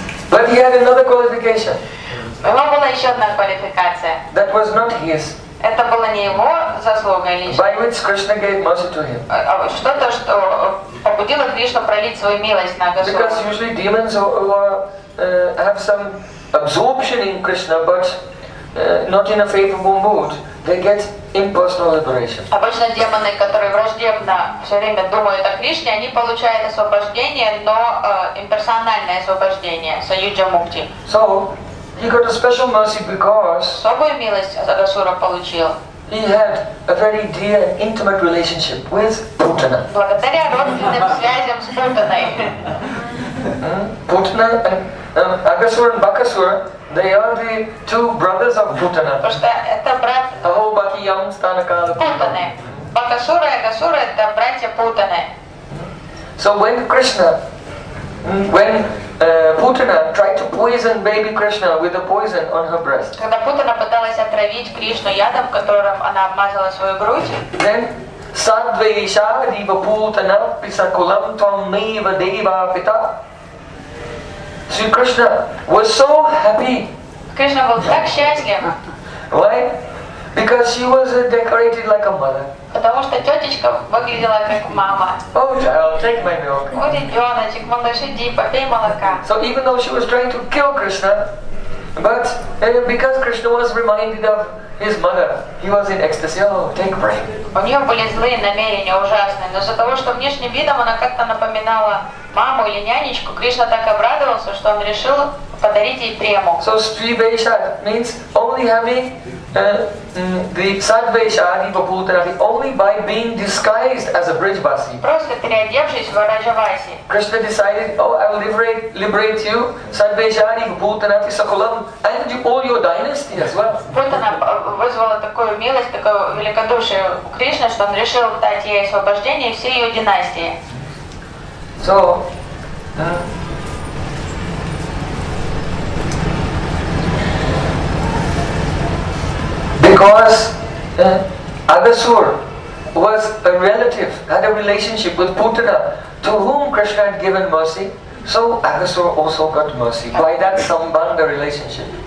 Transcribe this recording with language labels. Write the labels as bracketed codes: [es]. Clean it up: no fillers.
[en] But he had another qualification. [ru] У него была еще одна квалификация. [en] That was not his. [ru] Это было не его заслуга лично. [en] By which Krishna gave mercy to him. [ru] Что-то, что побудило Кришну пролить свою милость на Агасуру. [en] Because usually demons have some absorption in Krishna, but not in a favorable mood. They get impersonal liberation. [ru] Обычно демоны, которые враждебно все время думают о Кришне, они получают освобождение, но имперсональное освобождение, союджа мукти. [en] So, He got a special mercy because [ru] особую милость Асура получил. [en] He had a very dear, intimate relationship with Путана. [ru] Благодаря родственным связям с Путаной. [en] Путана and Агасура and Бакасура, they are the two brothers of Путана. [ru] Потому что это брат. Того Баки Ям Станакала Путана. Бакасура и Агасура это братья Путаны. [en] So when Krishna, when Putana tried to poison baby Krishna with a poison on her breast. [ru] Когда Путана пыталась отравить Кришну ядом, которым она обмазала свою грудь. [en] Then [sa] Садвеша Дива Путана писакулам том мива дева пита. [en] Sri Krishna was so happy. [ru] Кришна был так счастлив. [en] Why? Because she was decorated like a mother. [ru] Потому что тетечка выглядела как мама. [en] Oh, child, take my milk. [ru] Вот ребеночек, малыш, иди, попей молока. [en] So even though she was trying to kill Krishna, but because Krishna was reminded of his mother, he was in ecstasy. Oh, take a break. [ru] У нее были злые намерения, ужасные, но из-за того, что внешним видом она как-то напоминала маму или нянечку, Кришна так обрадовался, что он решил подарить ей прему. [en] So Sri-Vesha means only happy. The [sa] Sadvesha Adiva Putana, [en] only by being disguised as a Brijvasi. [ru] Просто переодевшись в Раджаваси. [en] Krishna decided, oh, I will liberate you, [sa] Sadvesha Adiva Putana, Sakulam, [en] and all your dynasty as well. [ru] Путана вызвала такую милость, такое великодушие у Кришны, что он решил дать ей освобождение и всей ее династии. [en] So, because Agasur was a relative, had a relationship with Putana, to whom Krishna had given mercy, so Agasur also got mercy by that sambandha relationship.